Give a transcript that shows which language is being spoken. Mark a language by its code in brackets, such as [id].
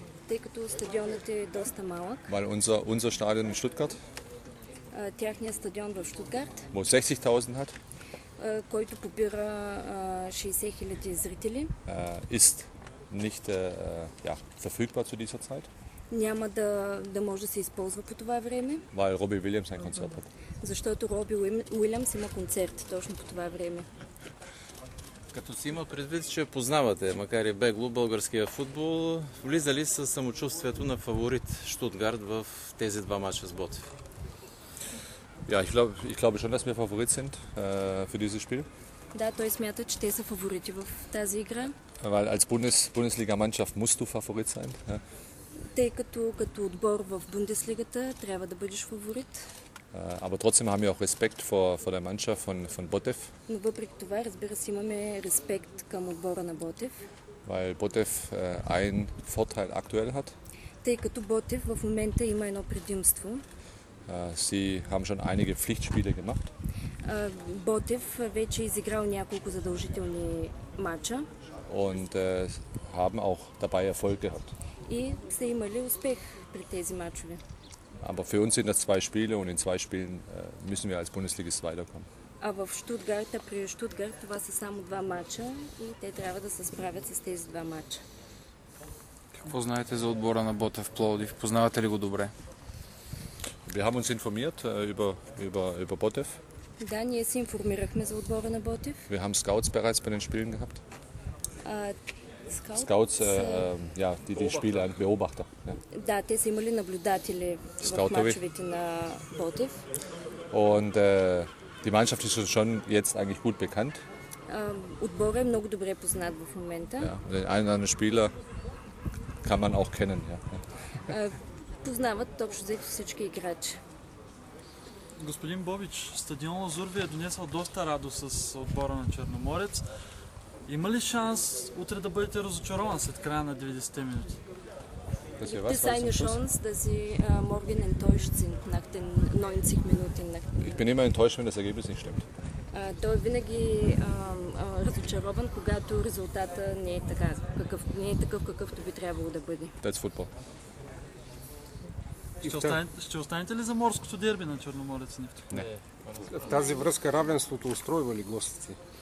[bg] Tekto Stadion ist dosta malak. [de] Weil unser Stadion in Stuttgart. [bg] Tehnje Stadion v Stuttgart. [de] Wo 60.000 hat. [bg] Който побира 60.000 зрители. [de] Ist nicht verfügbar zu dieser Zeit. [bg] Няма да може да се използва по това време. [de] Weil Robbie Williams ein Konzert hat. [bg] Защото Роби Уилямс има концерт точно по това време. Като си има предвид, че познавате, макар и бегло, българския футбол, влиза ли със самочувствието на фаворит Штутгарт в тези два матча с Ботев? [de] Ja, ich glaube schon, dass wir Favorit sind für dieses Spiel. [bg] Да, той смята, че те са фаворити в тази игра. [de] Weil als Bundesliga-Mannschaft musst du Favorit sein. [bg] Тъй като отбор в Бундеслигата трябва да бъдеш фаворит. [de] Aber trotzdem haben wir auch Respekt vor der Mannschaft von Botev. [bg] Но въпреки това, разбира се, имаме респект към отбора на Ботев. [de] Weil Botev einen Vorteil aktuell hat. [bg] Тъй като Ботев в момента има едно предимство. [de] Sie haben schon einige Pflichtspiele gemacht. [bg] Ботев вече изиграл няколко задължителни матча. [de] Und haben auch dabei Erfolg gehabt. [bg] И са имали успех при тези матчове. [de] Aber für uns sind das zwei Spiele und in zwei Spielen müssen wir als Bundesligist weiterkommen. [bg] Aber при Штутгарт това са само два мача и те трябва да се справят с тези два мача. Какво знаете за отбора на Ботев Пловдив? Познавате ли го добре? [de] Wir haben uns informiert über Ботев. [bg] Да, ние се информирахме за отбора на Ботев. [de] Wir haben Scouts bereits bei den Spielen gehabt. Scouts, die Spieler, Beobachter. [bg] Да, те са имали наблюдатели в мачовете на Ботев. [de] Und die Mannschaft ist schon jetzt eigentlich gut bekannt. [bg] Отбора е много добре познат в момента. [de] Den einen oder anderen Spieler kann man auch kennen. [bg] Познават общо взето всички играчи. Господин Бобич, стадион Лазур ви е донесъл доста радост с отбора на Черноморец. Има ли шанс утре да бъдете разочарован след края на 90-те минути? [de] Gibt es eine Chance, dass Sie morgen enttäuscht sind nach den 90 Minuten? Ich bin immer enttäuscht, wenn das Ergebnis nicht stimmt. [bg] Той винаги разочарован, когато резултата не е такъв, какъвто би трябвало да бъде. [en] That's football. [bg] Ще останете ли за морското дерби на Черноморец? Не. В тази връзка равенството устройва ли гостите?